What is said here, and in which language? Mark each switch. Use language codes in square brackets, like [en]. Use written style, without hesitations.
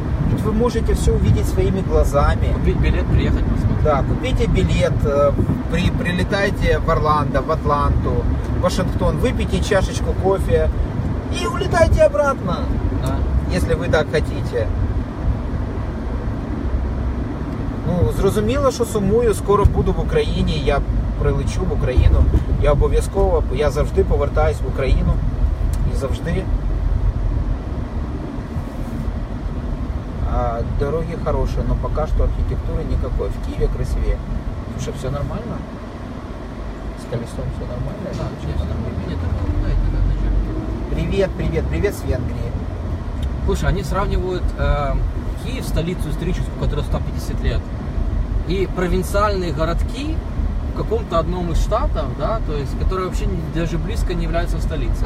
[ru] Ведь вы можете все увидеть своими глазами. Купить билет, приехать, посмотреть. Да, купите билет, прилетайте в Орландо, в Атланту. Вашингтон, выпейте чашечку кофе и улетайте обратно, да. Если вы так хотите. [uk] Ну, зрозуміло, що сумую, скоро буду в Україні, я прилечу в Україну, я обов'язково, я завжди повертаюсь в Україну і завжди. А дороги хороші, но поки що архітектури ніякої, в Києві красивіше. [ru] Слушай, все нормально? Колесом все нормально? Да, честно, на времени так попадаете, да, начали. Привет, привет, привет с Венгрии. Слушай, они сравнивают Киев, столицу историческую, которая 150 лет, и провинциальные городки в каком-то одном из штатов, да, то есть, которые вообще даже близко не являются столицей.